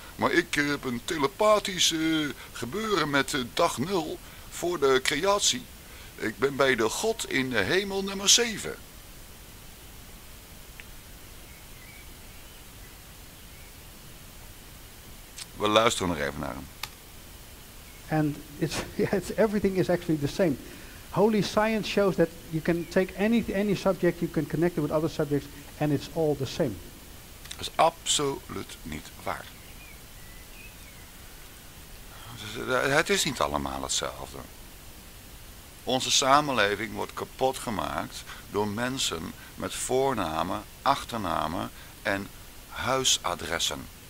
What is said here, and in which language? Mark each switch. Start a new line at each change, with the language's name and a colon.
Dutch: Maar ik heb een telepathisch gebeuren met dag 0 voor de creatie. Ik ben bij de God in de hemel nummer 7. We luisteren nog even naar hem.
English: And it's everything is actually the same. Holy science shows that you can take any subject, you can connect it with other subjects, and it's all the same.
Dutch: Dat is absoluut niet waar. Het is niet allemaal hetzelfde. Onze samenleving wordt kapot gemaakt door mensen met voornamen, achternamen en huisadressen.